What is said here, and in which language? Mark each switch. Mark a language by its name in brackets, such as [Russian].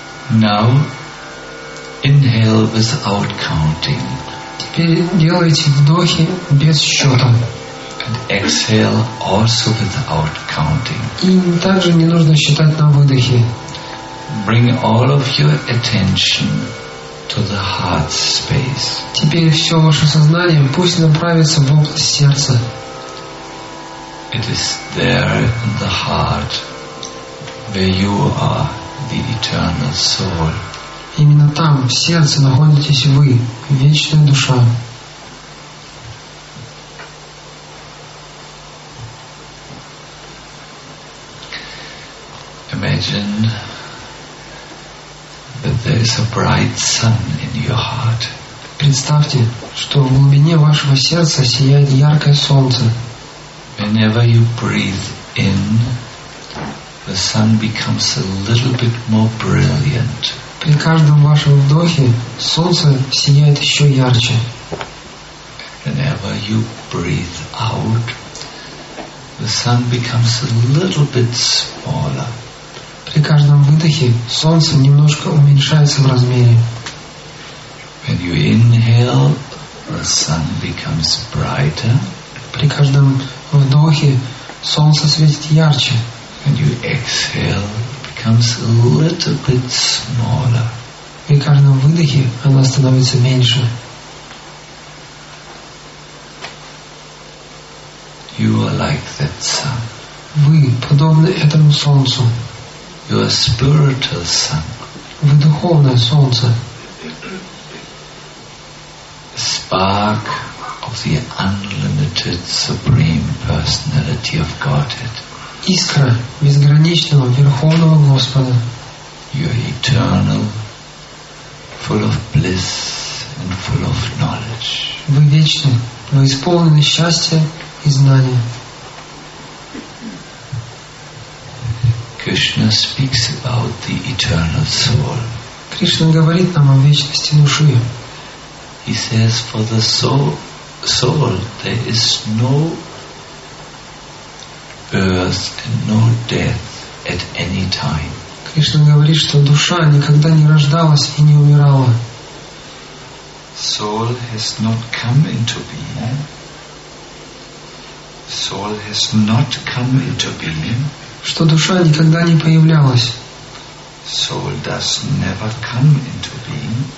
[English] Now inhale without counting. [Russian] Делайте вдохи без счета. [English] And exhale also without counting. [Russian] И также не нужно считать на выдохе. [English] Bring all of your attention to the heart space. [Russian] Теперь все ваше сознание пусть направится в область сердца. [English] It is there in the heart where you are the eternal soul. [Russian] Именно там, в сердце, находитесь вы, вечная душа. [English] Imagine that there is a bright sun in your heart. [Russian] Представьте, что в глубине вашего сердца сияет яркое солнце. [English] Whenever you breathe in, the sun becomes a little bit more brilliant. [Russian] При каждом вашем вдохе солнце сияет еще ярче. [English] Whenever you breathe out, the sun becomes a little bit smaller. [Russian] При каждом выдохе солнце немножко уменьшается в размере. [English] When you inhale, the sun becomes brighter. [Russian] При каждом вдохе солнце светит ярче. [English] When you exhale, it becomes a little bit smaller. [Russian] При каждом выдохе оно становится меньше. [English] You are like that sun. [Russian] Вы подобны этому солнцу. [English] You are spiritual sun. [Russian] Вы духовное солнце. [English] Spark of the unlimited supreme personality of Godhead. [Russian] Искра безграничного верховного Господа. [English] You are eternal, full of bliss and full of knowledge. [Russian] Вы вечны, вы исполнены счастья и знания. [English] Krishna speaks about the eternal soul. [Russian] Кришна говорит нам о вечности души. [English] He says, for the soul, there is no birth and no death at any time. [Russian] Кришна говорит, что душа никогда не рождалась и не умирала. [English] Soul has not come into being. Soul has not come into being. [Russian] Что душа никогда не появлялась. [English] Soul does never come into being.